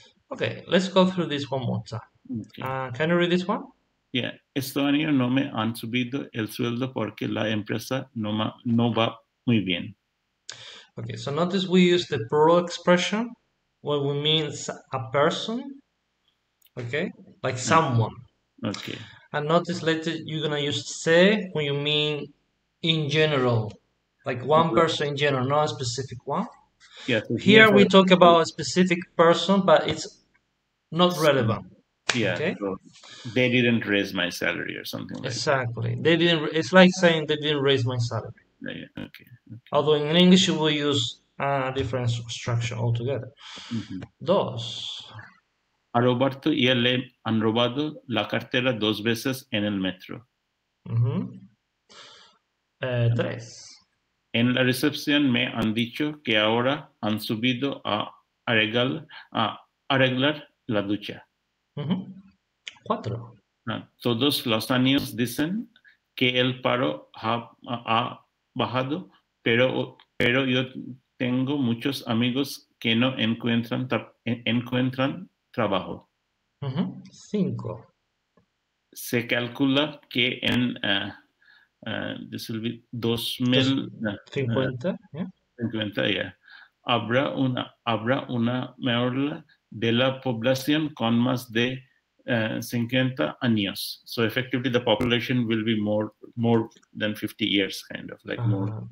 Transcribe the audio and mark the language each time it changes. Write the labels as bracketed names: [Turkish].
[English] Okay, let's go through this one more time. okay. Can you read this one? [Spanish] Yeah, este año no me han subido el sueldo porque la empresa no va muy bien. [English] Okay, so notice we use the plural expression when we mean a person, okay, like someone. Okay. And notice later you're gonna use se when you mean in general, like one person in general, not a specific one. Yeah, so here Here we talk about a specific person, but it's not relevant, yeah, okay? so they didn't raise my salary or something like that. Exactly. They didn't, it's like saying they didn't raise my salary. Yeah, okay. Although in English you will use a different structure altogether. [Spanish] Dos. A Roberto y él le han robado la cartera dos veces en el metro. Tres. En la recepción me han dicho que ahora han subido a arreglar la ducha. Cuatro. Todos los años dicen que el paro ha bajado, pero yo tengo muchos amigos que no encuentran trabajo. Cinco. Se calcula que en 2000 50, ¿eh? 50, ya. Habrá una mayoría de la población con más de 50 años. [English] So effectively the population will be more than 50 years, kind of like more.